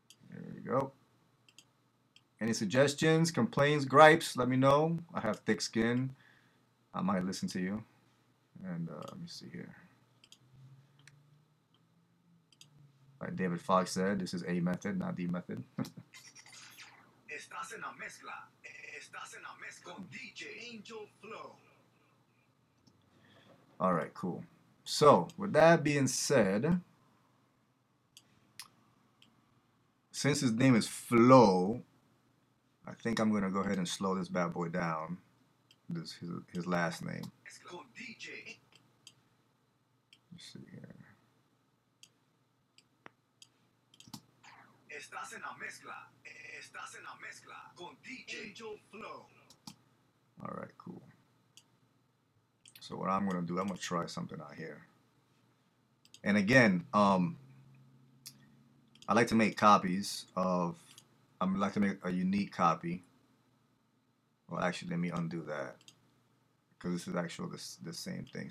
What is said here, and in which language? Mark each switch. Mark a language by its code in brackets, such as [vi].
[en] There you go. Any suggestions, complaints, gripes? Let me know. I have thick skin. I might listen to you. And let me see here. Like David Fox said, this is a method, not the method. [es] Estás en la mezcla. Estás en la mezcla con DJ Angel Flow. [en] All right, cool. So, with that being said, since his name is Flow, I think I'm going to go ahead and slow this bad boy down. This is his last name. DJ. Let's see here. [es] Estás en la mezcla. Estás en la mezcla con DJ Angel Flow. [en] All right, cool. So what I'm going to do, I'm going to try something out here. And again, I like to make copies of, I like to make a unique copy. Well, actually, let me undo that. Because this is actually the same thing.